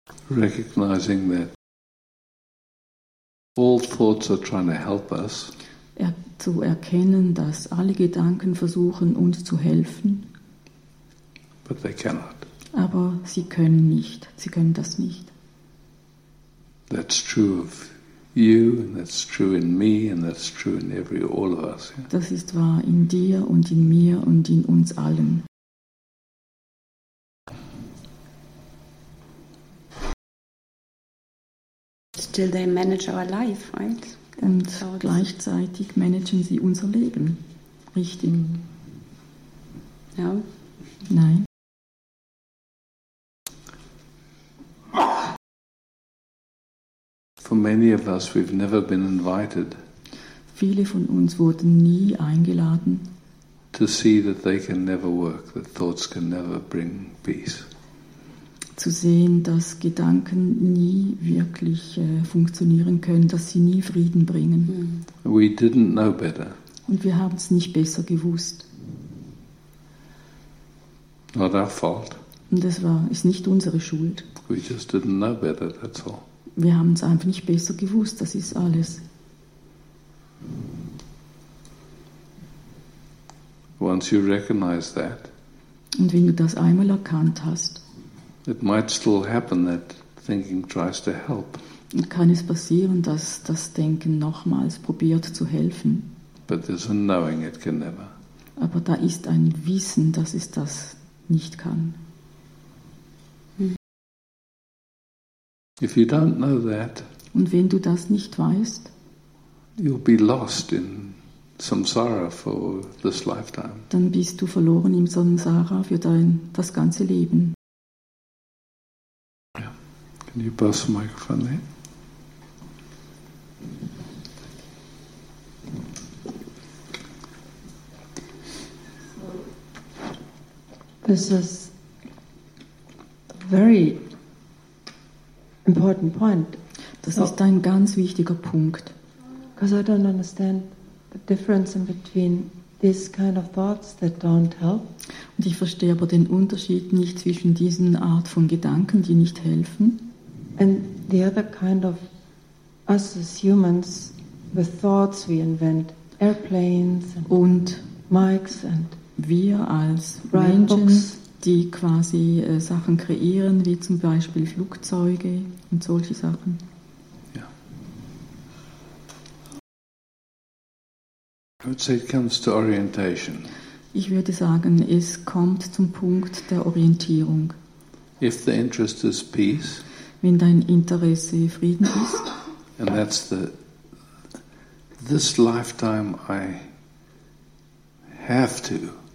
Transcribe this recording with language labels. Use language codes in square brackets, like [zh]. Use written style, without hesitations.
[en] Recognizing that all thoughts are trying to help us. [de] Zu erkennen, dass alle Gedanken versuchen, uns zu helfen. [en] But they cannot. [de] Aber sie können nicht. Sie können das nicht. [en] That's true of you, and that's true in me, and that's true in every all of us. Yeah? [de] Das ist wahr in dir und in mir und in uns allen. [en] Still, they manage our life, right? [de] Und gleichzeitig managen sie unser Leben, richtig? Ja. Nein. [en] For many of us, we've never been invited. [de] Viele von uns wurden nie eingeladen. [en] To see that they can never work, that thoughts can never bring peace. [de] Zu sehen, dass Gedanken nie wirklich funktionieren können, dass sie nie Frieden bringen. [en] We didn't know better. [de] Und wir haben es nicht besser gewusst. [en] Not our fault. [de] Und es ist nicht unsere Schuld. [en] We just didn't know better, that's all. [de] Wir haben es einfach nicht besser gewusst, das ist alles. [en] Once you recognize that. [de] Und wenn du das einmal erkannt hast, [en] it might still happen that thinking tries to help. [de] Kann es passieren, dass das Denken nochmals probiert zu helfen? [en] But there's a knowing it can never. [de] Aber da ist ein Wissen, dass es das nicht kann. [en] If you don't know that, [de] und wenn du das nicht weißt, [en] you'll be lost in samsara for this lifetime. [de] Dann bist du verloren im Samsara für das ganze Leben. [en] Can you pass the microphone there? This is a very important point. [de] Das ist ein ganz wichtiger Punkt. [en] Because I don't understand the difference in between these kind of thoughts that don't help. [de] Und ich verstehe aber den Unterschied nicht zwischen diesen Art von Gedanken, die nicht helfen. [en] And the other kind of us as humans, the thoughts we invent, airplanes and mics and [de] wir als Menschen, books, die quasi Sachen kreieren, wie zum Beispiel Flugzeuge und solche Sachen. [en] I would say it comes to orientation. [de] Ich würde sagen, es kommt zum Punkt der Orientierung. [en] If the interest is peace, [de] wenn dein Interesse Frieden ist, [en] and that's the this lifetime I have to,